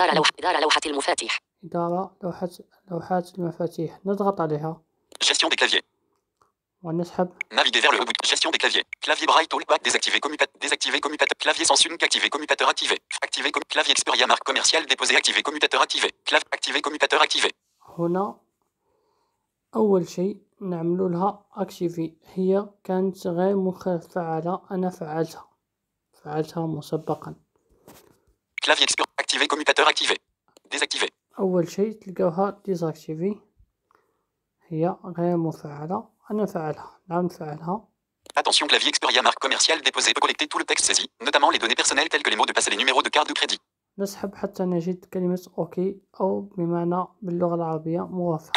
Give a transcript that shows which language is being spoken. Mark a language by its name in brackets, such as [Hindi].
[Arabic] إدارة لوحة المفاتيح. إدارة لوحات المفاتيح. نضغط عليها. [French] Gestion des claviers. [Arabic] ونسحب. [French] Naviguez vers le haut bouton. Gestion des claviers. Clavier Braille Tool Back. Désactiver commutateur. Désactiver commutateur. Clavier sans swing. Activer commutateur. Activer. Activer commutateur. Clavier Xperia marque commerciale déposé. Activer commutateur. Activer. Clavier. Activer commutateur. Activer. [Arabic] هنا أول شيء نعملوا لها أكتيفي. هي كانت غير مفعلة، أنا فعلتها مسبقا. [French] clavier expir... activé, commutateur activé. Désactivé. [Arabic] أول شيء تلقاها ديزاكتيفي هي غير مفعلة أنا فعلها نعم فعلها. [French] Attention clavier Xperia marque commerciale déposée peut collecter tout le texte saisi notamment les données personnelles telles que les mots de passe et les numéros de carte de crédit. [Arabic] نسحب حتى نجد كلمة OK أو بمعنى باللغة العربية موافق.